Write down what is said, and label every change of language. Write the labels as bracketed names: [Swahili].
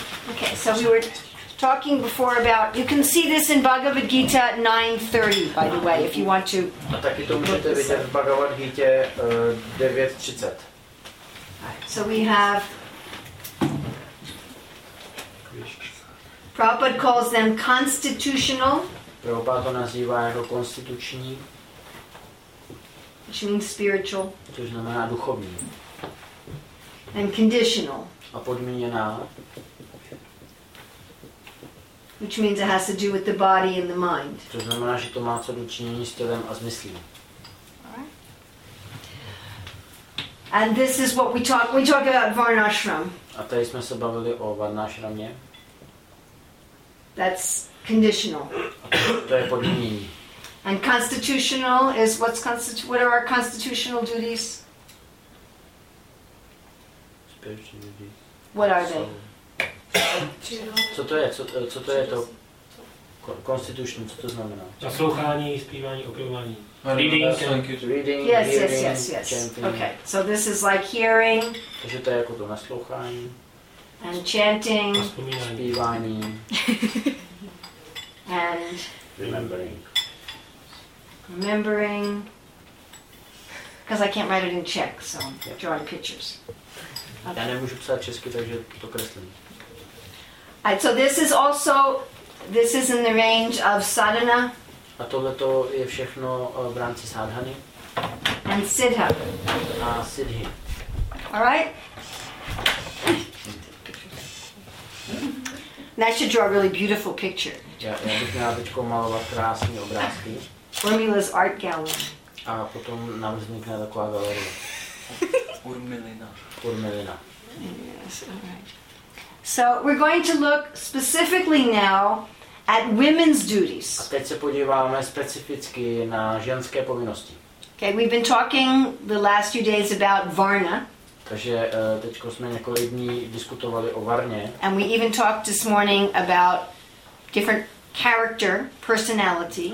[English] Okay, so we were talking before about, you can see this in Bhagavad Gita 9:30, by the way, if you want to. [Czech] A taky to můžete vidět v Bhagavad Gita 9:30. [English] So we have... Prabhupada calls them constitutional. [Czech] Prabhupada to nazývá jako konstituční. [English] Which means spiritual. [Czech] Což znamená duchovní. [English] And conditional. [Czech] A podmíněná. [English] Which means it has to do with the body and the mind. [Czech] Což znamená, že to má co do činění s tělem a s myslí. [English] And this is what we talk about Varnashram. [Czech] A tady jsme se bavili o Varnashramě. [English] That's conditional. [Czech] To je podmínění. [English] And constitutional is what are our constitutional duties? Spiritual duties. What are they? [Czech] Co to je? Co to je to? Constitutional, co to znamená? Naslouchání, zpívání, opěvání. [English] Reading. Yes. Chanting. Okay, so this is like hearing. [Czech] Takže to je jako to naslouchání. [English] And chanting, [Czech] zpívání, [English] and remembering, because I can't write it in Czech, so I'm drawing pictures. [Czech] Okay. Já nemůžu psát česky, takže to kreslím. [English] Right, so this is in the range of sadhana. [Czech] A tohle to je všechno v rámci sadhany. [English] And siddha. [Czech] A siddhi. [English] All right. And I should draw a really beautiful picture. [Czech] Já bych měla teď malovat krásné obrázky. [English] Urmila's art gallery. [Czech] A potom nám vznikne taková galerie. Urmilina. [English] Yes, alright. So we're going to look specifically now at women's duties. [Czech] A teď se podíváme specificky na ženské povinnosti. [English] Okay, we've been talking the last few days about Varna. [Czech] Takže teď jsme několik dní diskutovali o Varně. [English] And we even talked this morning about different character, personality.